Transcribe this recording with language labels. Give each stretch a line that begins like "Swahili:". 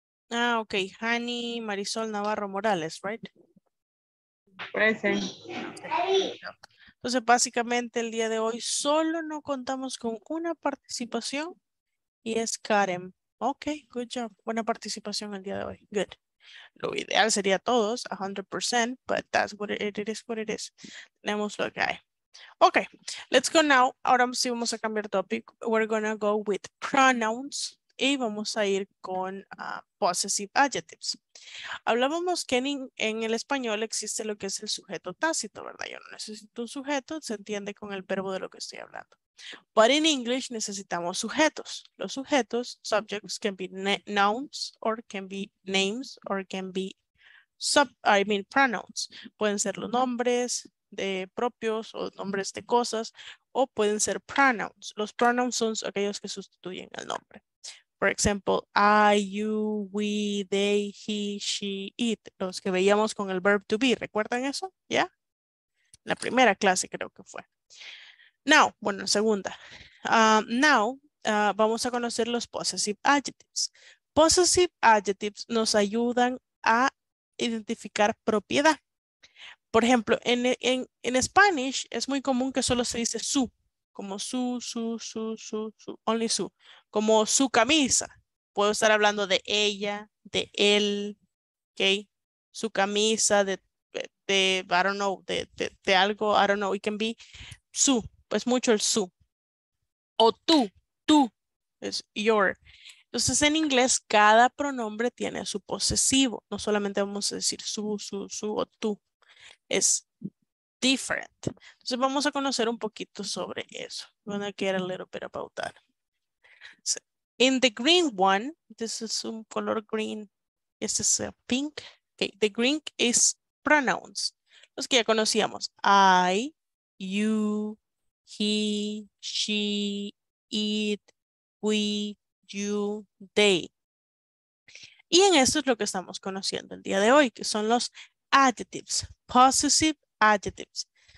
English: Ah, ok. Hani Marisol Navarro Morales, right? Present.
Spanish: Entonces, básicamente el día de hoy solo no contamos con una participación y es Karen.
English: Ok, good job.
Spanish: Buena participación el día de hoy. Good. Lo ideal sería todos,
English: 100%, but that's what it is, what it is.
Spanish: Tenemos lo que hay.
English: Ok, let's go now.
Spanish: Ahora sí vamos a cambiar topic.
English: We're gonna go with pronouns.
Spanish: Y vamos a ir con
English: possessive adjectives.
Spanish: Hablábamos que en el español existe lo que es el sujeto tácito, ¿verdad? Yo no necesito un sujeto, se entiende con el verbo de lo que estoy hablando.
English: But in English
Spanish: necesitamos sujetos. Los sujetos,
English: subjects, can be nouns or can be names or can be pronouns.
Spanish: Pueden ser los nombres de propios o nombres de cosas o pueden ser pronouns. Los pronouns son aquellos que sustituyen al nombre.
English: For example, I, you, we, they, he, she, it.
Spanish: Los que veíamos con el verb to be. ¿Recuerdan eso? ¿Ya? La primera clase creo que fue. Now, bueno, segunda. Vamos a conocer los possessive adjectives. Possessive adjectives nos ayudan a identificar propiedad. Por ejemplo, en Spanish es muy común que solo se dice su. Como su, only su, como su camisa, puedo estar hablando de ella, de él, okay, su camisa, de
English: I don't know,
Spanish: de algo,
English: I don't know, it can be su,
Spanish: es mucho el su, o tú, es your. Entonces en inglés cada pronombre tiene su posesivo, no solamente vamos a decir su o tú, es different. Entonces vamos a conocer un poquito sobre eso.
English: I'm going to get a little bit about that. So, in the green one, this is
Spanish: un color
English: green, this is a pink. Okay, the green is pronouns.
Spanish: Los que ya conocíamos.
English: I, you, he, she, it, we, you, they.
Spanish: Y en esto es lo que estamos conociendo el día de hoy, que son los adjectives, possessive adjectives.